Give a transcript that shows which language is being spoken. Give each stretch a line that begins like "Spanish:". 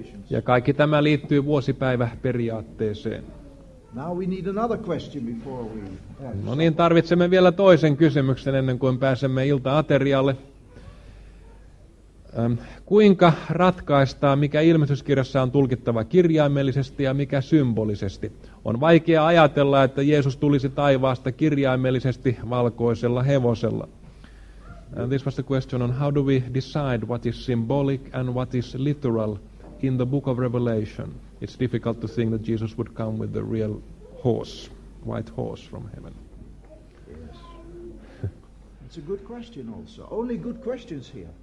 Finnish: Ja kaikki tämä liittyy vuosipäiväperiaatteeseen.
English: Now we need another question before we
Finnish: No niin, tarvitsemme vielä toisen kysymyksen ennen kuin pääsemme ilta-aterialle. Kuinka ratkaistaan, mikä ilmestyskirjassa on tulkittava kirjaimellisesti ja mikä symbolisesti? On vaikea ajatella, että Jeesus tulisi taivaasta kirjaimellisesti valkoisella hevosella.
English: And this was the question on how do we decide what is symbolic and what is literal in the book of Revelation? It's difficult to think that Jesus would come with a real horse, white horse from heaven. Yes. It's a good question also. Only good questions here.